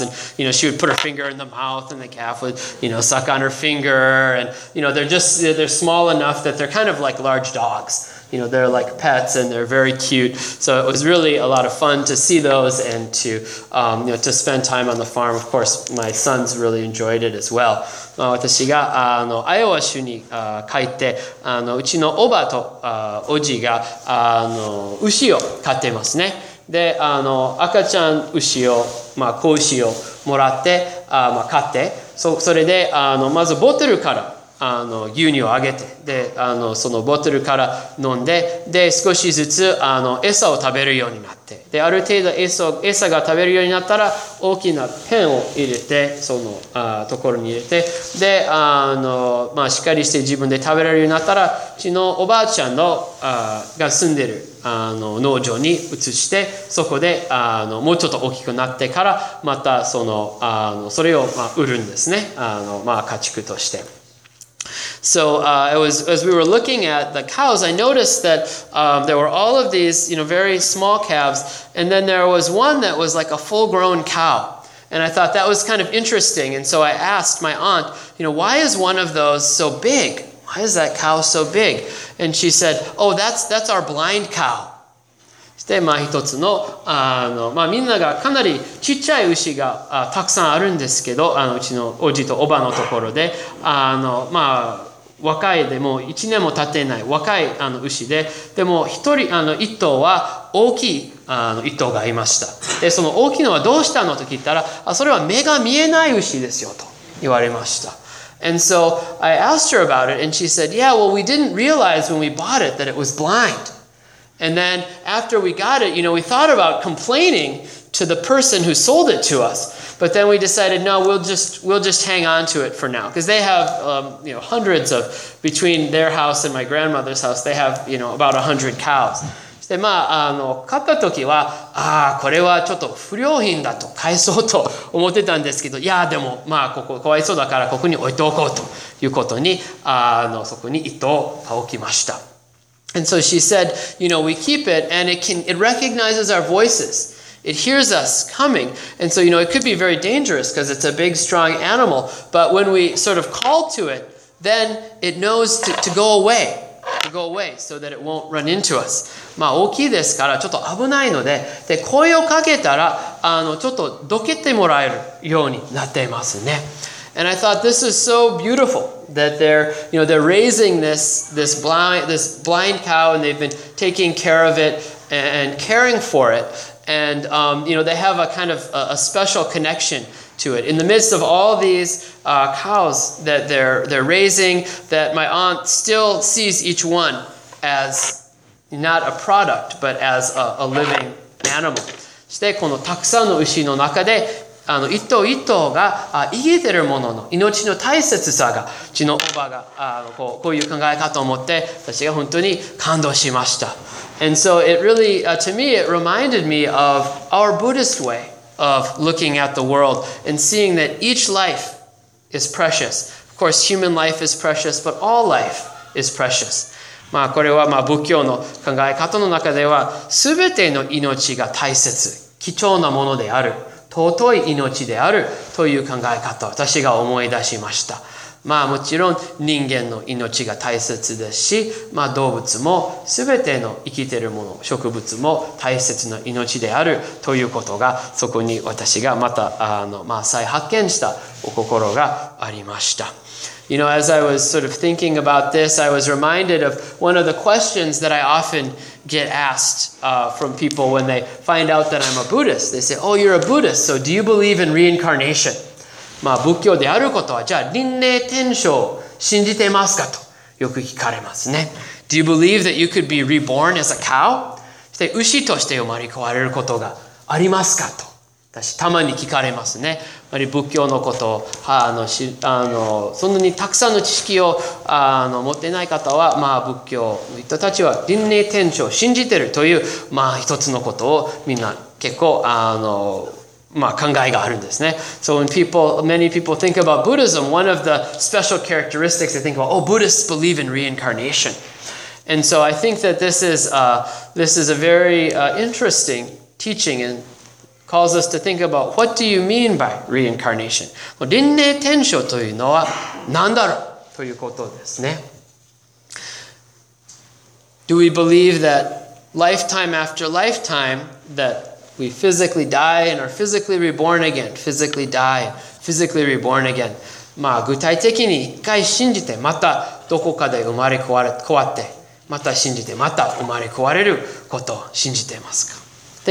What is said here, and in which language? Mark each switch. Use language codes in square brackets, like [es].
[en] And, you know, she would put her finger in the mouth and the calf would, you know, suck on her finger. And, you know, they're small enough that they're kind of like large dogs. You know, they're like pets and they're very cute. So it was really a lot of fun to see those and to, you know, to spend time on the farm. Of course, my sons really enjoyed it as well. [ja] 私がアイオワ州に帰って、うちのおばとおじが牛を飼ってますね。で、赤ちゃん牛を、まあ、子牛をもらって、飼って、それで、まずボトルから牛乳をあげて、で、そのボトルから飲んで、で、少しずつ餌を食べるようになって、で、ある程度餌が食べるようになったら、大きなペンを入れて、その、ところに入れて、で、まあ、しっかりして自分で食べられるようになったら、うちのおばあちゃんの、が住んでる、農場に移して、そこで、もうちょっと大きくなってから、また、それを、まあ、売るんですね。まあ、家畜として。 [en] So as we were looking at the cows, I noticed that there were all of these, you know, very small calves, and then there was one that was like a full-grown cow. And I thought that was kind of interesting, and so I asked my aunt, you know, why is one of those so big? Why is that cow so big? And she said, oh, that's our blind cow. [ja] で、まあ一つの、まあみんながかなりちっちゃい牛がたくさんあるんですけど、うちのおじとおばのところで、まあ若いでも一年も経ってない若い牛で、でも一人、一頭は大きい一頭がいました。で、その大きいのはどうしたのと聞いたら、それは目が見えない牛ですよと言われました。 [en] And so I asked her about it and she said, yeah, well we didn't realize when we bought it that it was blind. And then after we got it, you know, we thought about complaining to the person who sold it to us. But then we decided, no, we'll just hang on to it for now. Because they have, you know, hundreds of, between their house and my grandmother's house, they have, you know, about 100 cows. [ja] そして、まあ、買った時は、ああ、これはちょっと不良品だと買えそうと思ってたんですけど、いや、でも、まあ、ここ、かわいそうだからここに置いておこうということに、そこに一頭を置きました。 [en] And so she said, you know, we keep it and it recognizes our voices. It hears us coming. And so, you know, it could be very dangerous because it's a big, strong animal. But when we sort of call to it, then it knows to go away. go away so that it won't run into us. [ja] まあ大きいですからちょっと危ないので、で声をかけたらちょっとどけてもらえるようになっていますね。 [en] And I thought this is so beautiful that they're raising this blind cow and they've been taking care of it and caring for it. And they have a kind of a special connection to it. In the midst of all these cows that they're raising, that my aunt still sees each one as not a product, but as a living animal. [ja] そしてこのたくさんの牛の中で一頭一頭が生きているものの命の大切さがうちのおばがこういう考えかと思って私が本当に感動しました。 [en] And so it really, to me, it reminded me of our Buddhist way of looking at the world and seeing that each life is precious. Of course, human life is precious, but all life is precious. [ja] まあこれはまあ仏教の考え方の中では全ての命が大切、貴重なものである。尊い命であるという考え方を私が思い出しました。まあもちろん人間の命が大切ですし、まあ動物も全ての生きているもの、植物も大切な命であるということがそこに私がまた再発見したお心がありました。 [en] You know, as I was sort of thinking about this, I was reminded of one of the questions that I often get asked from people when they find out that I'm a Buddhist. They say, oh, you're a Buddhist, so do you believe in reincarnation? [ja] まあ、仏教であることは、じゃあ、輪廻転生信じてますかとよく聞かれますね。 [en] Do you believe that you could be reborn as a cow? [ja] そして、牛として生まれ変われることがありますかと。私たまに聞かれますね。まり仏教のことをそんなにたくさんの知識を持っていない方は、まあ仏教の人たちは輪廻転生を信じているというまあ一つのことをみんな結構まあ考えがあるんですね。 [en] So when many people think about Buddhism, one of the special characteristics they think about, oh, Buddhists believe in reincarnation. And so I think that this is a very interesting teaching andcalls us to think about what do you mean by reincarnation? [ja] 輪廻転生というのは何だろうということですね。 [en] Do we believe that lifetime after lifetime that we physically die and are physically reborn again? Physically die, physically reborn again. [ja] まあ具体的に一回信じてまたどこかで生まれ変わってまた信じてまた生まれ変われることを信じていますか？